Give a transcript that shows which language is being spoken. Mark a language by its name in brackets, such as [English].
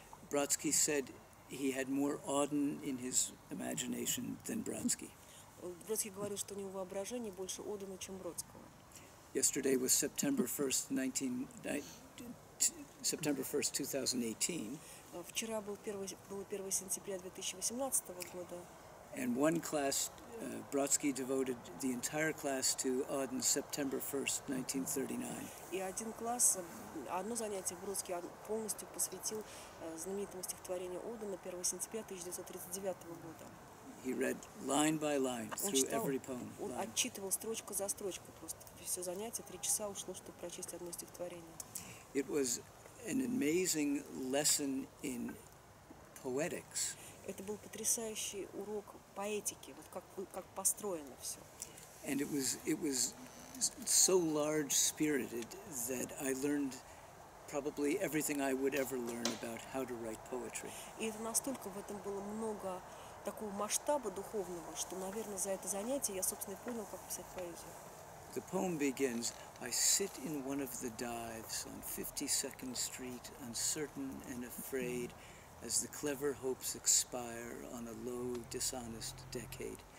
[English] Brodsky said he had more Auden in his imagination than Brodsky. [Russian] Брodsky говорил, что у него воображение больше Одена, чем Бродского. [English] Yesterday was September 1st, 2018. [Russian] Вчера было 1 сентября 2018 года. [English] And one class, Brodsky devoted the entire class to Auden, September 1st, 1939. [Russian] И один класс, одно занятие Бродsky полностью посвятил знаменитому стихотворению Одена 1 сентября 1939 года. [English] He read line by line through every poem. [Russian] Он отчитывал строчку за строчкой просто. Все занятие, три часа ушло, чтобы прочесть одно стихотворение. [English] It was an amazing lesson in poetics. [Russian] Это был потрясающий урок поэтики, вот как построено все. [English] And it was so large spirited that I learned probably everything I would ever learn about how to write poetry. [Russian] И это настолько в этом было много такого масштаба духовного, что, наверное, за это занятие я, собственно, и понял, как писать поэзию. [English] The poem begins, I sit in one of the dives on 52nd Street, uncertain and afraid, as the clever hopes expire on a low, dishonest decade.